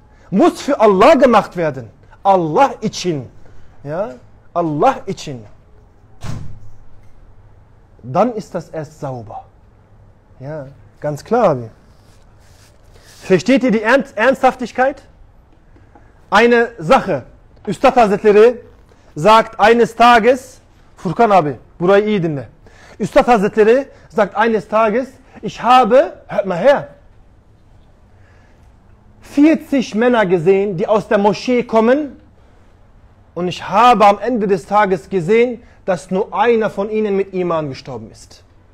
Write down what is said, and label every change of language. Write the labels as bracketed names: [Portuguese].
[German] Muss für Allah gemacht werden. [Turkish] Allah için. [German] Ja? [Turkish] Allah için. [German] Dann ist das erst sauber. Ja, ganz klar. Versteht ihr die Ernsthaftigkeit? Eine Sache. [Turkish] Üstad Hazretleri [German] sagt eines Tages, [Turkish] Furkan abi, burayı iyi dinle. [German] Üstad Hazretleri sagt eines Tages, ich habe, hört mal her, 40 Männer gesehen, die aus der Moschee kommen und ich habe am Ende des Tages gesehen, dass nur einer von ihnen mit Iman gestorben ist.